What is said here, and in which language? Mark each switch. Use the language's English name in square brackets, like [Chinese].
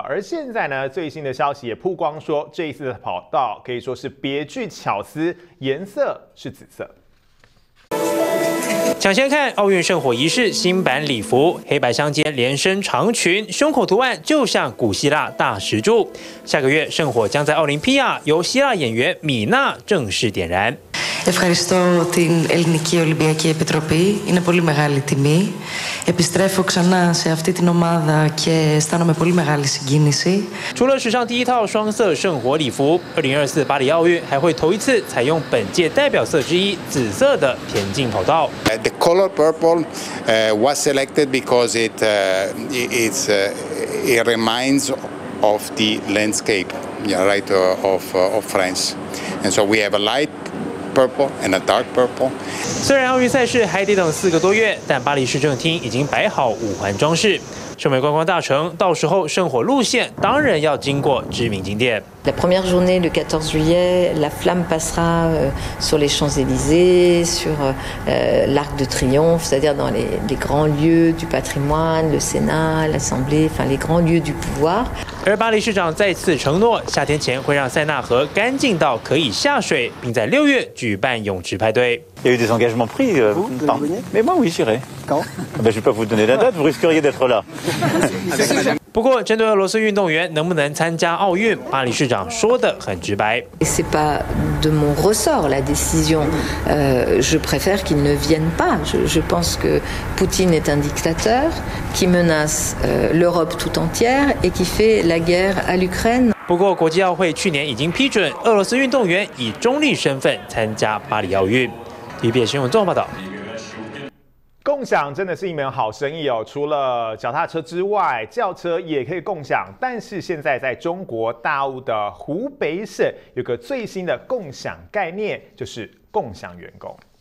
[Chinese] 而现在呢，最新的消息也曝光说，这一次的跑道可以说是别具巧思，颜色是紫色。抢先看奥运圣火仪式新版礼服，黑白相间连身长裙，胸口图案就像古希腊大石柱。下个月圣火将在奥林匹亚由希腊演员米娜正式点燃。 [Greek] Ευχαριστώ την Ελληνική Ολυμπιακή Επιτροπή. Είναι πολύ μεγάλη τιμή. Επιστρέφω ξανά σε αυτή την ομάδα και αισθάνομαι πολύ μεγάλη συγκίνηση. [Chinese] 除了史上第一套双色圣火礼服，2024巴黎奥运还会头一次采用本届代表色之一紫色的田径跑道。 [English] The color purple was selected because it reminds of the landscape, right, of France. And so we have a light. Purple and a dark purple. [Chinese] 虽然奥运赛事还得等四个多月，但巴黎市政厅已经摆好五环装饰。身为观光大城，到时候圣火路线当然要经过知名景点。 [French] La première journée, le 14 juillet, la flamme passera sur les Champs-Élysées, sur l'Arc de Triomphe, c'est-à-dire dans les grands lieux du patrimoine, le Sénat, l'Assemblée, enfin les grands lieux du pouvoir. [Chinese] 而巴黎市长再次承诺，夏天前会让塞纳河干净到可以下水，并在六月举办泳池派对。 [French] Il y a eu des engagements pris. Vous, vous Mais moi, oui, j'irai. Quand? Ben, je ne peux pas vous donner la date. Vous risqueriez d'être là. [Chinese] 不过，针对俄罗斯运动员能不能参加奥运，巴黎市长说得很直白。 [French] C'est pas de mon ressort la décision. Je préfère qu'ils ne viennent pas. Je pense que Poutine est un dictateur qui menace l'Europe tout entière et qui fait la guerre à l'Ukraine. [Chinese] 不过，国际奥会去年已经批准俄罗斯运动员以中立身份参加巴黎奥运。 TVBS 新闻综合报道。共享真的是一门好生意哦，除了脚踏车之外，轿车也可以共享。但是现在在中国大陆的湖北省，有个最新的共享概念，就是共享员工。